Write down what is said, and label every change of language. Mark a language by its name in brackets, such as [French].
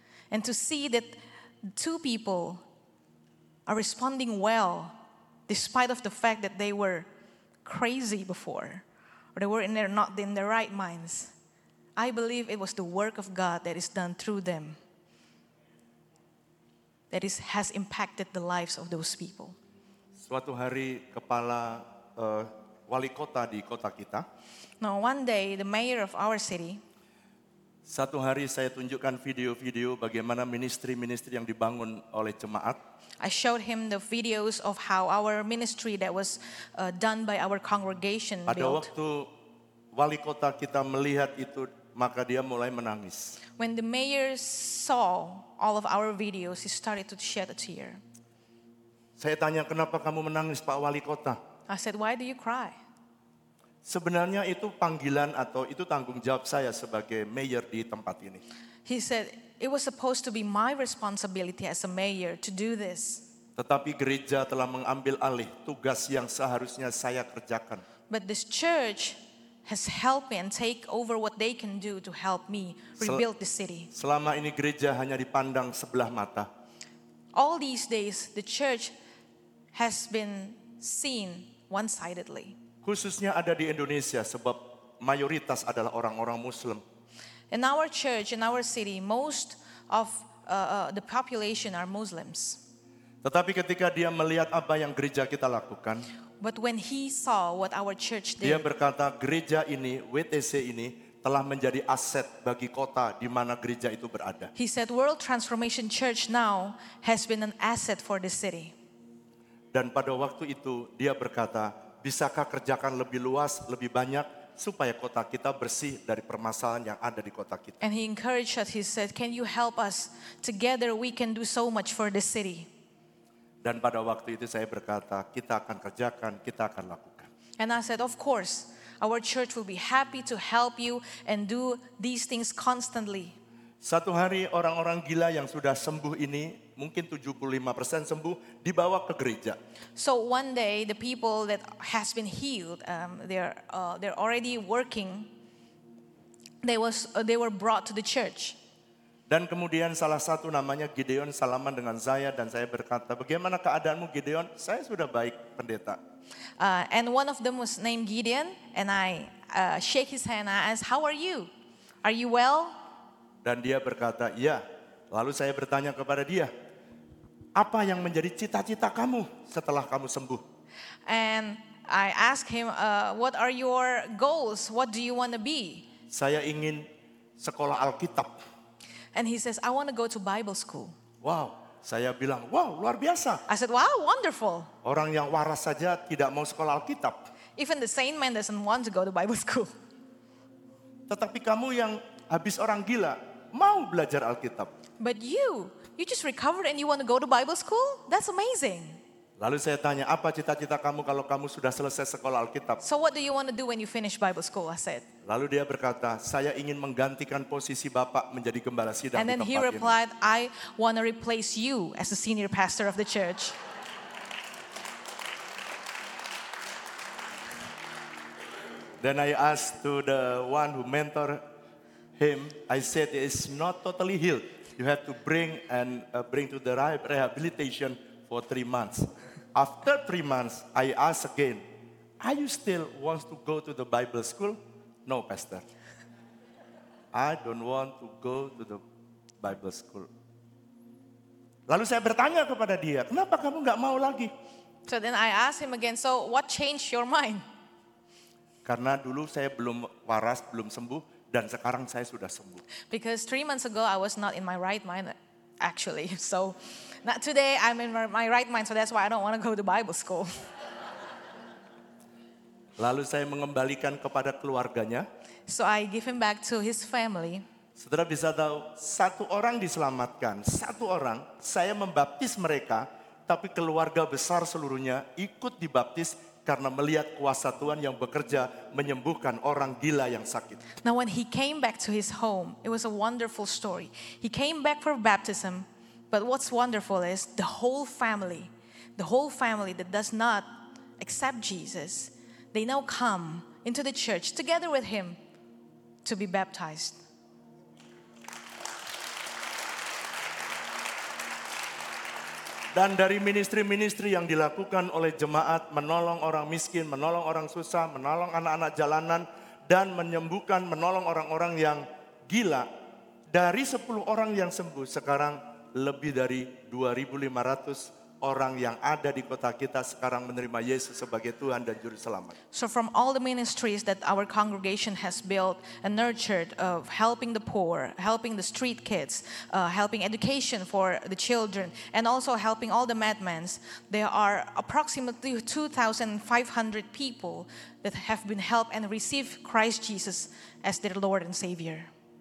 [English] And to see that two people are responding well, despite of the fact that they were crazy before, or they were not in their right minds, I believe it was the work of God that is done through them that is has impacted the lives of those people. [Indonesian] Suatu hari kepala wali kota di kota kita. [English] Now one day the mayor of our city. [Indonesian] Satu hari saya tunjukkan video-video bagaimana ministry-ministry yang dibangun oleh jemaat. [English] I showed him the videos of how our ministry that was done by our congregation built. [Indonesian] Pada waktu wali kota kita melihat itu, maka dia mulai menangis. [English] When the mayor saw all of our videos, he started to shed a tear. [Indonesian] Saya tanya, kenapa kamu menangis, Pak Wali Kota? [English] I said, why do you cry? [Indonesian] Sebenarnya itu panggilan atau itu tanggung jawab saya sebagai mayor di tempat ini. [English] He said, it was supposed to be my responsibility as a mayor to do this. [Indonesian] Tetapi gereja telah mengambil alih tugas yang seharusnya saya kerjakan. [English] But this church has helped me and take over what they can do to help me rebuild the city. [Indonesian] Selama ini gereja hanya dipandang sebelah mata. [English] All these days, the church has been seen one-sidedly. [Indonesian] Khususnya ada di Indonesia sebab mayoritas adalah orang-orang Muslim. [English] In our church, in our city, most of the population are Muslims. [Indonesian] Tetapi ketika dia melihat apa yang gereja kita lakukan, [English] but when he saw what our church did, [Indonesian] dia berkata, gereja ini, WTC ini, telah menjadi aset bagi kota di mana gereja itu berada. [English] He said, World Transformation Church now has been an asset for the city. [Indonesian] Dan pada waktu itu, dia berkata, bisakah kerjakan lebih luas, lebih banyak, supaya kota kita bersih dari permasalahan yang ada di kota kita. [English] And he encouraged us, he said, can you help us? Together we can do so much for the city. [Indonesian] Dan pada waktu itu saya berkata, kita akan kerjakan, kita akan lakukan. [English] And I said, of course, our church will be happy to help you and do these things constantly. [Indonesian] Satu hari orang-orang gila yang sudah sembuh ini, mungkin 75% sembuh, dibawa ke gereja. [English] So one day, the people that has been healed, they're already working, they were brought to the church. [Indonesian] Dan kemudian salah satu namanya Gideon salaman dengan saya dan saya berkata, bagaimana keadaanmu Gideon? Saya sudah baik, pendeta. [English] And one of them was named Gideon, and I shake his hand, I ask, how are you? Are you well? [Indonesian] Dan dia berkata, ya. Lalu saya bertanya kepada dia, apa yang menjadi cita-cita kamu setelah kamu sembuh? [English] And I ask him, what are your goals? What do you want to be? [Indonesian] Saya ingin sekolah Alkitab. [English] And he says, I want to go to Bible school. [Indonesian] Wow, saya bilang, wow, luar biasa. [English] I said, wow, wonderful. [Indonesian] Orang yang waras saja tidak mau sekolah Alkitab. [English] Even the sane man doesn't want to go to Bible school. [Indonesian] Tetapi kamu yang habis orang gila, mau belajar Alkitab. [English] But you just recovered and you want to go to Bible school? That's amazing. [Indonesian] Lalu saya tanya, apa cita-cita kamu kalau kamu sudah selesai sekolah Alkitab? [English] So what do you want to do when you finish Bible school? I said. [Indonesian] Lalu dia berkata, saya ingin menggantikan posisi Bapak menjadi gembala sidang. [English] And then he replied, I want to replace you as the senior pastor of the church. Then I asked to the one who mentor him, I said, it's not totally healed. You have to bring to the rehabilitation for 3 months. After 3 months, I ask again, are you still wants to go to the Bible school? No, pastor. I don't want to go to the Bible school. [Indonesian] Lalu saya bertanya kepada dia, kenapa kamu gak mau lagi? [English] So then I asked him again, so what changed your mind? [Indonesian] Karena dulu saya belum waras, belum sembuh, dan sekarang saya sudah sembuh. [English] Because 3 months ago I was not in my right mind actually. So not today I'm in my right mind, so that's why I don't want to go to Bible school. [Indonesian] Lalu saya mengembalikan kepada keluarganya. [English] So I give him back to his family. [Indonesian] Saudara bisa tahu, satu orang diselamatkan, satu orang, saya membaptis mereka, tapi keluarga besar seluruhnya ikut dibaptis karena melihat kuasa Tuhan yang bekerja menyembuhkan orang gila yang sakit. [English] Now when he came back to his home, it was a wonderful story. He came back for baptism, but what's wonderful is the whole family that does not accept Jesus, they now come into the church together with him to be baptized. [Indonesian] Dan dari ministry-ministry yang dilakukan oleh jemaat, menolong orang miskin, menolong orang susah, menolong anak-anak jalanan, dan menyembuhkan, menolong orang-orang yang gila. Dari 10 orang yang sembuh, sekarang lebih dari 2,500 orang yang ada di kota kita sekarang menerima Yesus sebagai Tuhan dan Juru Selamat. [English] So from all the ministries that our congregation has built and nurtured, of helping the poor, helping the street kids, helping education for the children, and also helping all the madmen, there are approximately 2,500 people that have been helped and received Christ Jesus as their Lord and Savior.